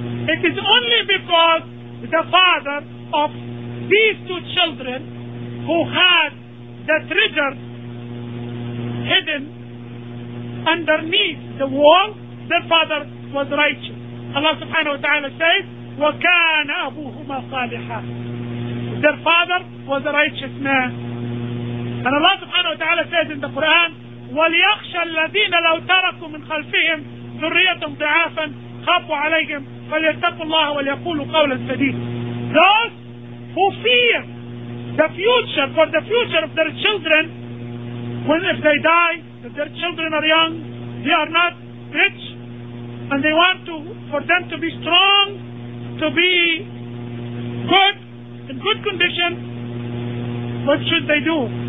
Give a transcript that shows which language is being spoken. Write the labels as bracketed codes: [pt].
[en] It is only because the father of these two children who had the treasure hidden underneath the wall, their father was righteous. Allah subhanahu wa ta'ala says, [ar] وَكَانَ أَبُوهُمَا صَالِحًا. [en] Their father was a righteous man. And Allah subhanahu wa ta'ala says in the Quran, [ar] وَلْيَخْشَ الَّذِينَ لَوْ تَرَكُوا مِنْ خَلْفِهِمْ ذُرِّيَّةً ضِعَافًا خَافُوا عَلَيْهِمْ فَلْيَتَّقُوا اللَّهَ وَلْيَقُولُوا قَوْلًا سَدِيدًا. [en] Those who fear the future, for the future of their children, when if they die, if their children are young, they are not rich, and they want to, for them to be strong, to be good, in good condition, what should they do?